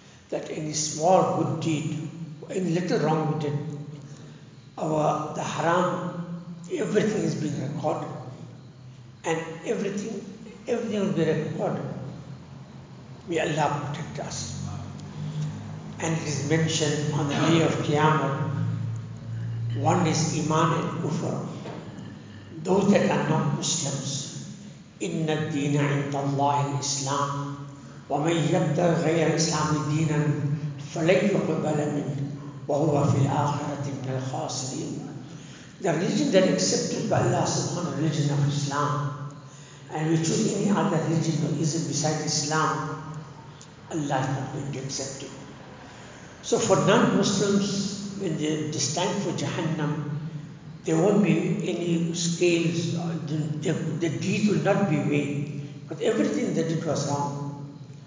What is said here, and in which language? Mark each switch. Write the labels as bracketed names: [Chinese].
[English] That any small good deed, any little wrong deed, the haram, everything is being recorded. And everything will be recorded. May Allah protect us. And it is mentioned on the day of Qiyamah, one is Iman and Kufr. Those that are not Muslims, [Arabic] إِنَّ الدِّينَ عِنْدَ اللَّهِ الْإِسْلَامِ وَمَنْ يَبْتَغْ غَيْرَ إِسْلَامِ دِينًا فَلَنْ يُقْبَلَ مِنْهُ وَهُوَ فِي الْآخِرَةِ مِنَ الْخَاسِرِينَ. [English] The religion that accepted by Allah subhanahu wa ta'ala, religion of Islam, and we choose any other religion that isn't beside Islam, Allah is not going to accept it. So for non-Muslims, when they stand for Jahannam, there won't be any scales, the deed will not be weighed, because everything they did was wrong.